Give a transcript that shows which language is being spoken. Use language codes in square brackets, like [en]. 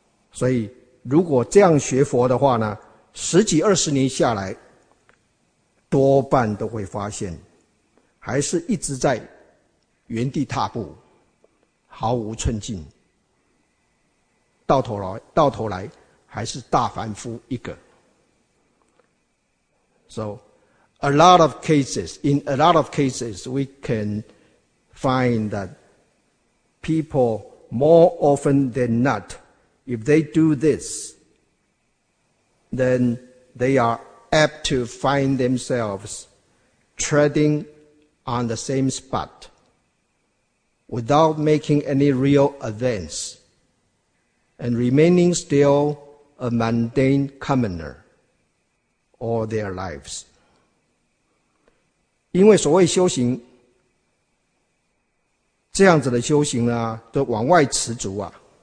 [zh] 所以如果这样学佛的话呢，十几二十年下来，多半都会发现还是一直在原地踏步，毫无寸进，到头来还是大凡夫一个。 [en] So in a lot of cases we can find that people more often than not, if they do this, then they are apt to find themselves treading on the same spot without making any real advance and remaining still a mundane commoner all their lives. [zh] 因为所谓修行，这样子的修行啊，都往外持足啊。